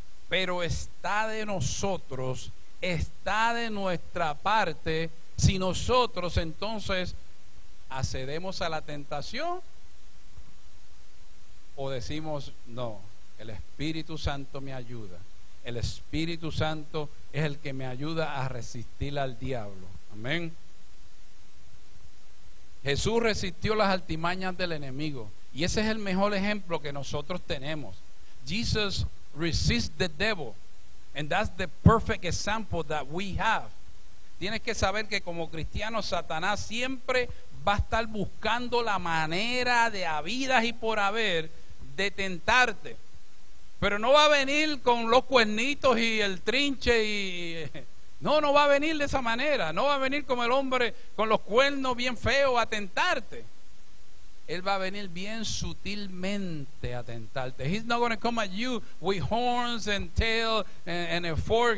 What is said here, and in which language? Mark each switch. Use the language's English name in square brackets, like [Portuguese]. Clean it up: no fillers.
[Spanish] Pero está de nosotros, está de nuestra parte, si nosotros entonces accedemos a la tentación o decimos no, el Espíritu Santo me ayuda. El Espíritu Santo es el que me ayuda a resistir al diablo. Amén. Jesús resistió las artimañas del enemigo. Y ese es el mejor ejemplo que nosotros tenemos. [English] Jesus resists the devil, and that's the perfect example that we have. [Spanish] Tienes que saber que como cristiano, Satanás siempre va a estar buscando la manera de habidas y por haber de tentarte. Pero no va a venir con los cuernitos y el trinche y... No va a venir de esa manera. No va a venir como el hombre con los cuernos bien feos a tentarte. Él va a venir bien sutilmente a tentarte. [English] He's not going to come at you with horns and tail and a fork.